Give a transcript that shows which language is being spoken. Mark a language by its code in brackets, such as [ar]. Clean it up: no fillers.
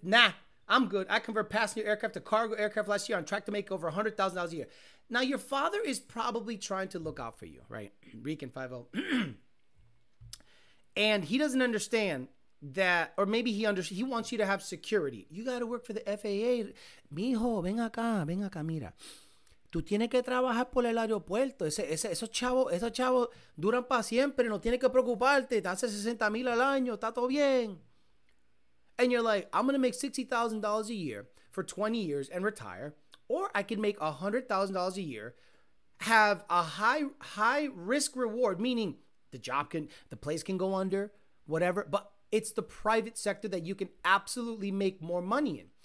[en] Nah, I'm good. I convert passenger aircraft to cargo aircraft last year on track to make over $100,000 a year. Now, your father is probably trying to look out for you, right? Recon 50. And he doesn't understand that, or maybe he wants you to have security. You got to work for the FAA. [es] Mijo, ven acá, mira. Tú tienes que trabajar por el aeropuerto. Esos chavos duran para siempre. No tienes que preocuparte. Te hace 60 mil al año. Está todo bien. [en] And you're like, I'm going to make $60,000 a year for 20 years and retire. Or I can make $100,000 a year, have a high risk reward, meaning the place can go under, whatever. But it's the private sector that you can absolutely make more money in.